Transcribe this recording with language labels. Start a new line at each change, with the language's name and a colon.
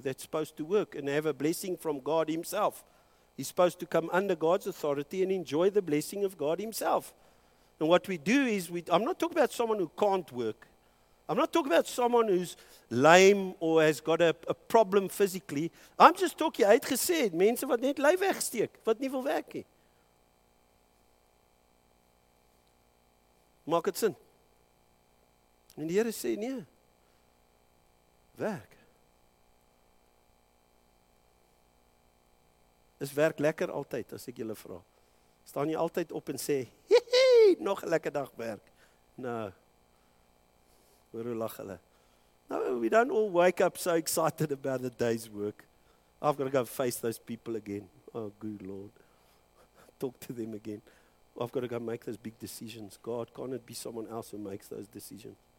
English: That's supposed to work and have a blessing from God himself. He's supposed to come under God's authority and enjoy the blessing of God himself. And what we do is, I'm not talking about someone who can't work. I'm not talking about someone who's lame or has got a problem physically. I'm just talking,
Afrikaans: hy het gesê, mense wat net lui wegsteek, wat nie wil werk nie. Maak het sin. En die Here sê, nee, werk. Is werk lekker altyd, as ek julle vra? Staan jy altyd op en sê, nog 'n lekker dag werk. Nou, hoor hoe lag hulle.
English: No, we don't all wake up so excited about the day's work. I've got to go face those people again. Oh, good Lord. Talk to them again. I've got to go make those big decisions. God, can't it be someone else who makes those decisions?